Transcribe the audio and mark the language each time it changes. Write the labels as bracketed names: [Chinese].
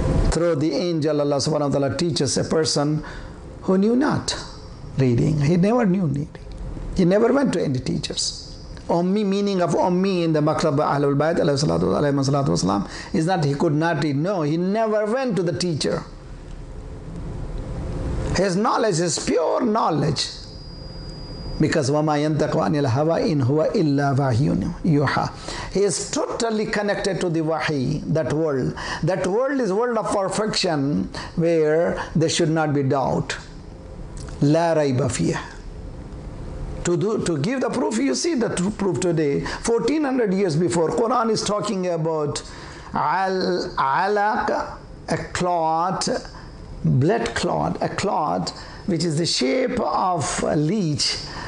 [English] Through the angel, Allah subhanahu wa ta'ala teaches a person who knew not reading. He never knew reading. He never went to any teachers. Ummi, meaning of ummi in the maktab Ahlul Bayt, [Arabic] alayhi salatu alayhi salatu wa salam, [English] is not he could not read. No, he never went to the teacher. His knowledge is pure knowledge. Because [Arabic] وَمَا يَنْتَقُ عَنِ الْهَوَىٰ إِنْ هُوَ إِلَّا وَحْيٌ يُوحَىٰ. [English] He is totally connected to the wahi, that world. That world is world of perfection where there should not be doubt. [Arabic] لَا رَيْبَ فِيهَ. [English] To give the proof, you see the proof today. 1400 years before, Quran is talking about عَلَقَ, a clot, blood clot, a clot which is the shape of a leech.